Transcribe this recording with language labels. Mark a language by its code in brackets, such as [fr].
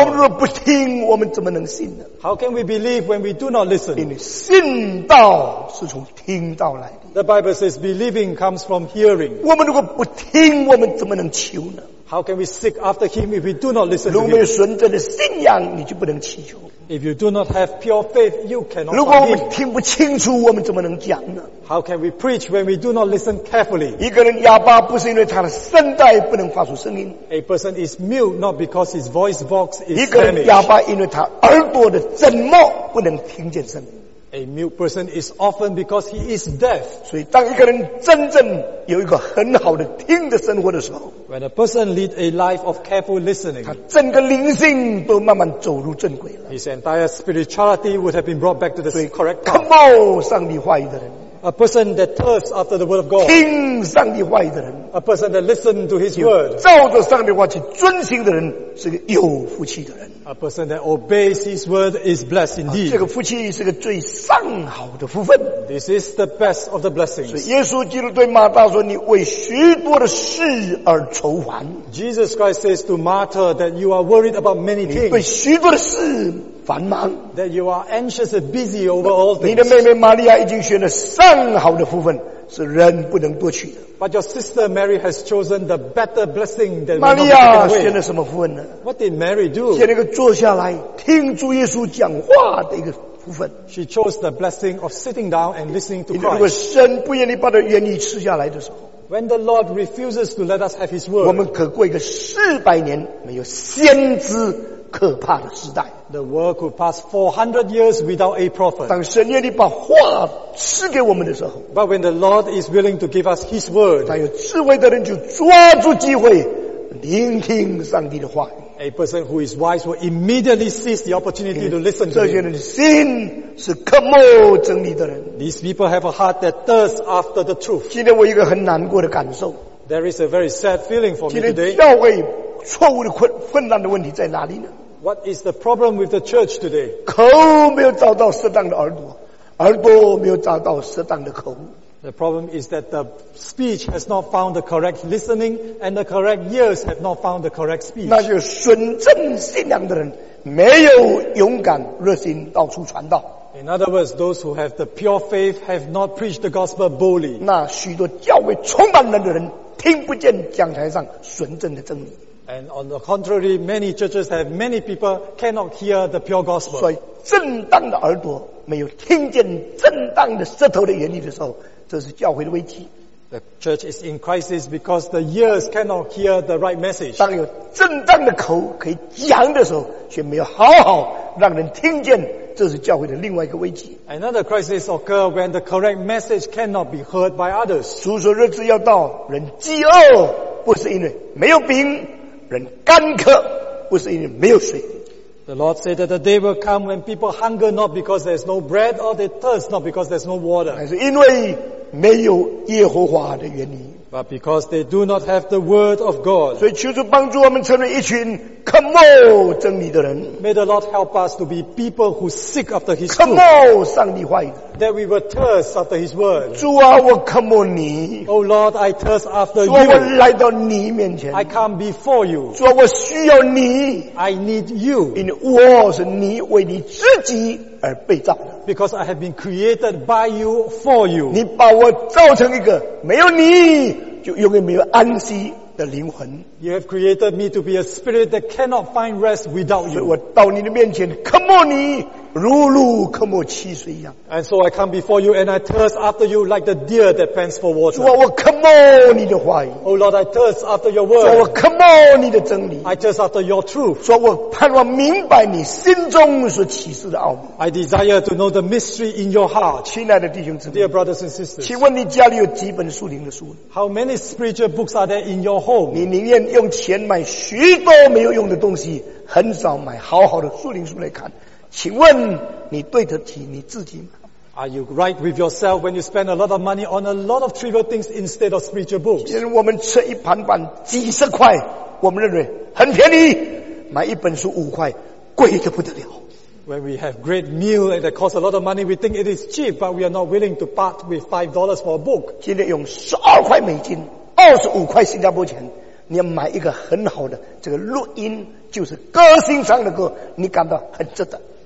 [zh] 我们若不听，我们怎么能信呢？ [en] How can we believe when we do not listen? [zh] 因为信道是从听道来的。 [en] The Bible says believing comes from hearing. [zh] 我们如果不听，我们怎么能求呢？ [en] How can we seek after Him if we do not listen to Him? [zh] 如果没有纯正的信仰，你就不能祈求。 [en] If you do not have pure faith, you cannot [zh] 如果我们听不清楚，我们怎么能讲呢？ [en] How can we preach when we do not listen carefully? [zh] 一个人哑巴不是因为他的声带不能发出声音。 [en] A person is mute not because his voice box is damaged. [zh] 一个人哑巴因为他耳朵的震膜不能听见声音。 [en] A mute person is often because he is deaf. [zh] 所以当一个人真正有一个很好的听的生活的时候 [en] When a person lead a life of careful listening, [zh] 他整个灵性都慢慢走入正轨了。 [en] His entire spirituality would have been brought back to the correct path. [zh] 所以渴慕上帝话语的人 [en] A person that thirsts after the word of God. [zh] 听上帝话语的人。 [en] A person that listens to His word. [zh] 照着上帝话去遵行的人，是个有福气的人。 [en] A person that obeys His word is blessed indeed. [zh] 这个福气是个最上好的福分。 [en] This is the best of the blessings. [zh] 所以耶稣基督对马大说：“你为许多的事而愁烦。” [en] Jesus Christ says to Martha that you are worried about many things. [zh] 你为许多的事。繁忙 [en] that you are anxious and busy over all things. [zh] 你的妹妹玛利亚已经选了上好的福分，是人不能夺取的。 [en] But your sister Mary has chosen the better blessing than taken [zh] 玛利亚选了什么福分呢？ [en] What did Mary do? [zh] 选了一个坐下来听主耶稣讲话的一个福分。 [en] She chose the blessing of sitting down and listening to Christ. [zh] 如果神不愿意把它愿意吃下来的时候。 [en] When the Lord refuses to let us have His word. [zh] 我们可过一个四百年没有先知可怕的时代。 [en] The world could pass 400 years without a prophet. [zh] 当神愿意把话赐给我们的时候。 [en] But when the Lord is willing to give us His word. [zh] 但有智慧的人就抓住机会聆听上帝的话。 [en] A person who is wise will immediately seize the opportunity to listen to him. [zh] 这些人的心是渴慕真理的人。 [en] These people have a heart that thirsts after the truth. [zh] 今天我有一个很难过的感受。 [en] There is a very sad feeling for me today. [zh] 今天教会错误的混乱的问题在哪里呢？ [en] What is the problem with the church today? [zh] 口没有找到适当的耳朵，耳朵没有找到适当的口。 [en] The problem is that the speech has not found the correct listening, and the correct ears have not found the correct speech. [zh] 那些纯正信仰的人没有勇敢热心到处传道。 [en] In other words, those who have the pure faith have not preached the gospel boldly. [zh] 那许多教会充满人的人听不见讲台上纯正的真理。 [en] And on the contrary, many churches have many people cannot hear the pure gospel. [zh] 所以正当的耳朵没有听见正当的舌头的原理的时候，这是教会的危机。 [en] The church is in crisis because the ears cannot hear the right message. [zh] 当有正当的口可以讲的时候，却没有好好让人听见，这是教会的另外一个危机。 [en] Another crisis occurs when the correct message cannot be heard by others. [zh] 主说日子要到，人饥饿，不是因为没有饼。人干渴不是因为没有水。 [en] The Lord said that the day will come when people hunger not because there's no bread or they thirst not because there's no water. [zh] 还是因为没有耶和华的原因。 [en] But because they do not have the word of God. [zh] 所以求主帮助我们成为一群渴慕真理的人。 [en] May the Lord help us to be people who seek after His word. [zh] 渴慕上帝话语。 [en] That we will thirst after His word. [zh] 主啊，我渴慕你。 [en] Oh Lord, I thirst after you. [zh] 主啊，我来到你面前。 [en] I come before you. [zh] 主啊，我需要你。 [en] I need you. [zh] 因为我是你为你自己而被造的。 [en] Because I have been created by you for you. [zh] 你把我造成一个没有你就永远没有安息的灵魂。 [en] You have created me to be a spirit that cannot find rest without you. [zh] 所以我到你的面前渴慕你如鹿渴慕溪水一样。 [en] And so I come before you and I thirst after you like the deer that pants for water. [zh] 主啊，我渴慕你的话语。 [en] Oh Lord, I thirst after your word. [zh] 主啊，我渴慕你的真理。 [en] I thirst after your truth. [zh] 主啊，我盼望明白你心中所启示的奥秘。 [en] I desire to know the mystery in your heart. [zh] 亲爱的弟兄姊妹。 [en] Dear brothers and sisters. [zh] 请问你家里有几本属灵的书？ [en] How many spiritual books are there in your home? [zh] 你宁愿用钱买许多没有用的东西，很少买好好的属灵书来看。请问你对得起你自己吗？ [en] Are you right with yourself when you spend a lot of money on a lot of trivial things instead of spiritual books? [zh] 今天我们吃一盘饭几十块，我们认为很便宜，买一本书五块，贵得不得了。 [en] When we have great meal and it costs a lot of money, we think it is cheap, but we are not willing to part with $5 for a book. [zh] 今天用12块美金，25块新加坡钱，你要买一个很好的这个录音，就是歌星唱的歌，你感到很值得。